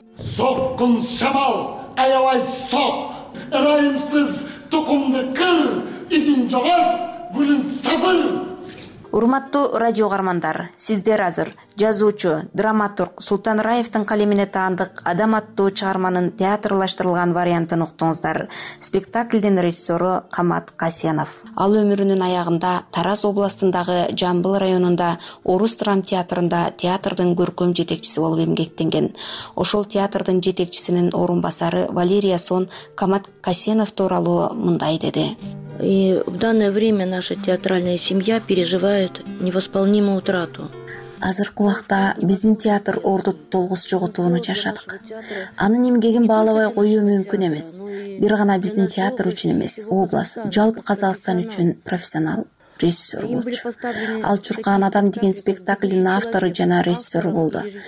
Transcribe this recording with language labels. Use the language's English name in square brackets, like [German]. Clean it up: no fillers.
[Kyrgyz] Соккун шамал, аябай сок, ырайымсыз тукумду кыр, изин жоголт, гүлүн сапыр. Урматтуу радио каармандар, сиздер азыр жазуучу, драматург Султан Раевтин калемине таандык Адам аттуу чыгарманын театрлаштырылган вариантын уктуңуздар. Спектакльдин режиссёру Камат Касенов. Ал өмүрүнүн аягында Тараз областындагы Жамбыл районунда Орус драм театрында театрдын көркөм жетекчиси болуп эмгектенген. Ошол театрдын жетекчисинин орун басары Валерия Сон Камат Касенов тууралуу мындай деди. [Russian] И в данное время наша театральная семья переживает невосполнимую утрату. [Kyrgyz] Азыркы убакта биздин театр орду толгус жоготууну жашадык. Анын эмгегин баалабай коюу мүмкүн эмес. Бир гана биздин театр үчүн эмес, облас, жалпы Казакстан үчүн профессионал режиссер болчу. Ал Чуркан Адам деген спектаклдин автору жана режиссер болду.